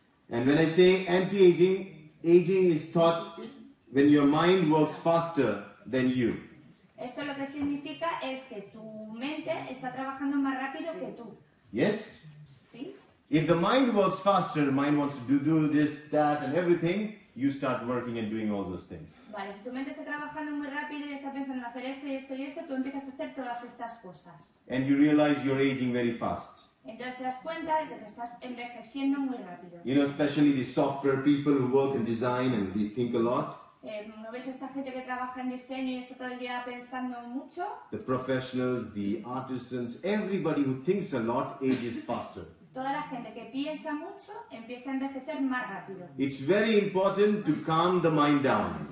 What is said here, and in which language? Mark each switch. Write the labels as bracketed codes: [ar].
[en] And when I say anti-aging, aging is thought when your mind works faster than you. [es] Esto lo que significa es que tu mente está trabajando más rápido que tú. [en] Yes? [es] Sí. [en] If the mind works faster, the mind wants to do this, that and everything, you start working and doing all those things. [es] Vale, si tu mente está trabajando muy rápido y está pensando en hacer esto y esto y esto, tú empiezas a hacer todas estas cosas. [en] And you realize you're aging very fast. [es] Entonces te das cuenta de que te estás envejeciendo muy rápido. [en] You know, especially the software people who work in design and they think a lot. [es] ¿No ves esta gente que trabaja en diseño y está todo el día pensando mucho? [en] The professionals, the artisans, everybody who thinks a lot ages faster. [es] Toda la gente que piensa mucho empieza a envejecer más rápido. [en] It's very important to calm the mind down.